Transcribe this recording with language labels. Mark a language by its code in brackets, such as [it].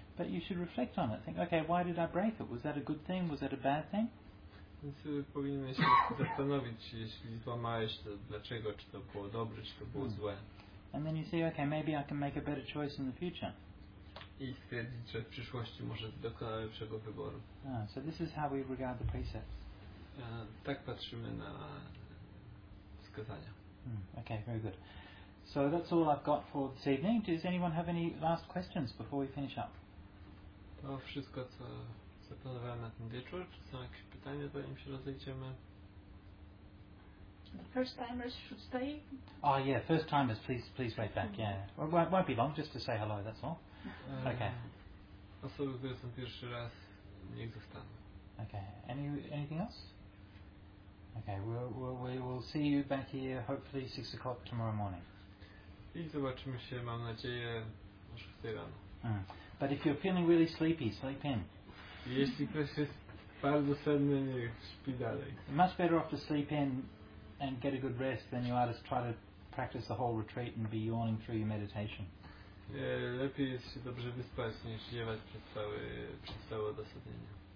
[en] But you should reflect on it, think, okay, why did I break it? Was that a good thing, was that a bad thing? [pl] Więc powinien się zastanowić, jeśli złamałeś, to dlaczego, czy to było dobre, czy to było złe. [en] And then you say, okay, maybe I can make a better choice in the future. [pl] I stwierdzić, że w przyszłości może dokonać lepszego wyboru. [en] So this is how we regard the precepts. [pl] Tak patrzymy na wskazania. [en] Okay, very good. So that's all I've got for this evening. Does anyone have any last questions before we finish up? [pl] To wszystko, co zaplanowałem na ten wieczór. Czy są jakieś pytania, zanim się rozejdziemy? [en] The first timers should stay. Oh yeah, first timers, please wait back. Yeah, won't be long. Just to say hello, that's all. Okay. [pl] Osoby, które są pierwszy raz, niech zostaną. [en] Okay. Anything else? Okay. We'll see you back here. Hopefully 6:00 tomorrow morning. [pl] I zobaczymy się, mam nadzieję, o 6 rano. [en] But if you're feeling really sleepy, sleep in. [pl] Jeśli ktoś jest Bardzo senny, śpi dalej. [en] Much better off to sleep in and get a good rest than you are to try to practice the whole retreat and be yawning through your meditation. [pl] Lepiej jest się dobrze wyspać niż ziewać przez całe odosobnienie.